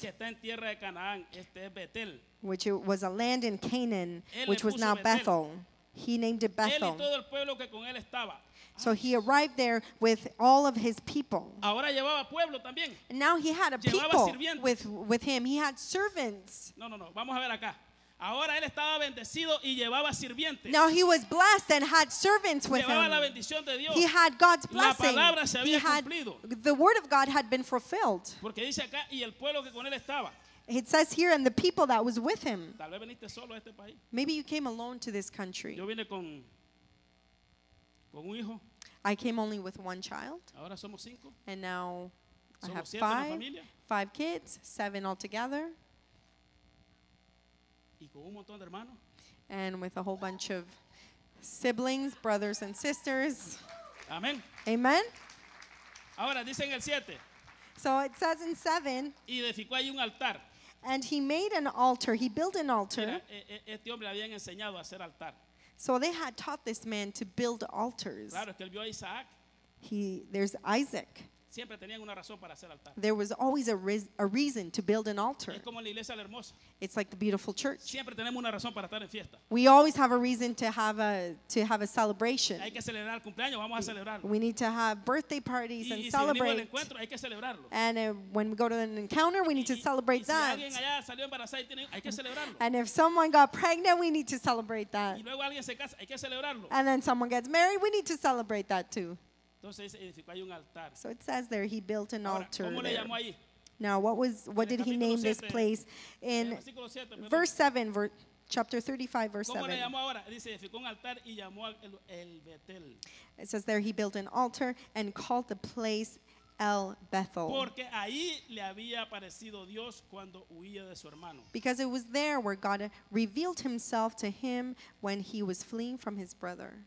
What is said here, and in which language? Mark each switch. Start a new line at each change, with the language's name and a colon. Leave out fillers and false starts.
Spanish: Que está en tierra de Canaán, este es Betel.
English: Which it was a land in Canaan, which was now Bethel. He named it Bethel.
Spanish: Él y todo el pueblo que con él estaba.
English: So he arrived there with all of his people.
Spanish: Ahora llevaba pueblo también.
English: And now he had a
Spanish: llevaba
English: people
Spanish: sirvientes.
English: With him. He had servants.
Spanish: No, no, no. Vamos a ver acá. Ahora él estaba bendecido y llevaba sirvientes.
English: Now he was blessed and had servants with
Spanish: llevaba
English: him.
Spanish: La bendición de Dios.
English: He had God's blessing.
Spanish: La palabra se había
English: he
Spanish: cumplido.
English: Had, the word of God had been fulfilled.
Spanish: Porque dice acá, y el pueblo que con él estaba.
English: It says here, and the people that was with him.
Spanish: Tal vez viniste solo a este país.
English: Maybe you came alone to this country.
Spanish: Yo vine con un hijo.
English: I came only with one child.
Spanish: Ahora somos cinco.
English: And now
Spanish: somos
English: I have five. Five kids, seven altogether.
Spanish: Y con un montón de hermanos.
English: And with a whole bunch of siblings, brothers and sisters.
Spanish: Amen.
English: Amen.
Spanish: Ahora dicen el siete.
English: So it says in 7,
Spanish: y edificó ahí un altar.
English: And he made an altar, he built an altar.
Spanish: Mira, este hombre habían enseñado a hacer altar.
English: So they had taught this man to build altars.
Spanish: Claro, es que él vio a Isaac.
English: There's Isaac.
Spanish: Siempre tenían una razón para hacer altar.
English: There was always a reason to build an altar.
Spanish: Es como la iglesia la hermosa.
English: It's like the beautiful church.
Spanish: Siempre tenemos una razón para estar en fiesta.
English: We always have a reason to have a celebration.
Spanish: Hay que celebrar el cumpleaños, vamos a celebrarlo.
English: We need to have birthday parties and celebrate.
Spanish: Y si venimos al encuentro, hay que celebrarlo.
English: And when we go to an encounter, we need to celebrate
Spanish: y si
English: that.
Spanish: Si alguien allá salió embarazada, hay que celebrarlo.
English: And if someone got pregnant, we need to celebrate that.
Spanish: Y luego alguien se casa, hay que celebrarlo.
English: And then someone gets married, we need to celebrate that too.
Spanish: Entonces edificó ahí un altar.
English: So it says there he built an
Spanish: Ahora,
English: altar.
Spanish: ¿Cómo le llamó ahí?
English: Now, what did he name this place? In verse 7, chapter 35, verse 7. It says there he built an altar and called the place El Bethel.
Spanish: Porque ahí le había aparecido Dios cuando huía de su hermano.
English: Because it was there where God revealed himself to him when he was fleeing from his brother.